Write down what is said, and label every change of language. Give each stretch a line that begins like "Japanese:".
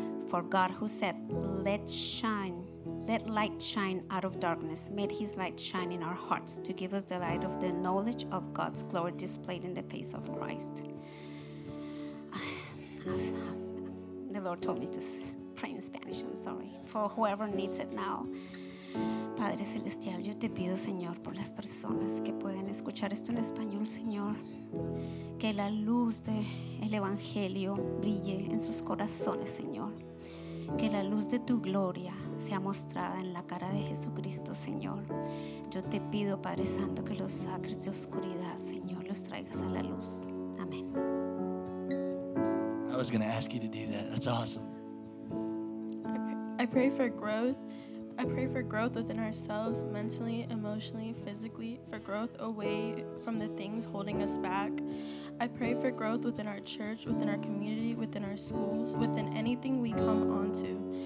English: For God, who said, let light shine out of darkness, made his light shine in our hearts to give us the light of the knowledge of God's glory displayed in the face of Christ. The Lord told me to say. Pray in Spanish, I'm sorry, for whoever needs it now.
Spanish: Padre Celestial, yo te pido, Señor, por las personas que pueden escuchar esto en español, Señor, que la luz del Evangelio brille en sus corazones, Señor, que la luz de tu gloria sea mostrada en la cara de Jesucristo, Señor. Yo te pido, Padre Santo, que los sacres de oscuridad, Señor, los traigas a la luz. Amén.
English: I was going to ask you to do that. That's awesome. I pray for growth. I pray for growth within ourselves, mentally, emotionally, physically, for growth away from the things holding us back. I pray for growth within our church, within our community, within our schools, within anything we come onto.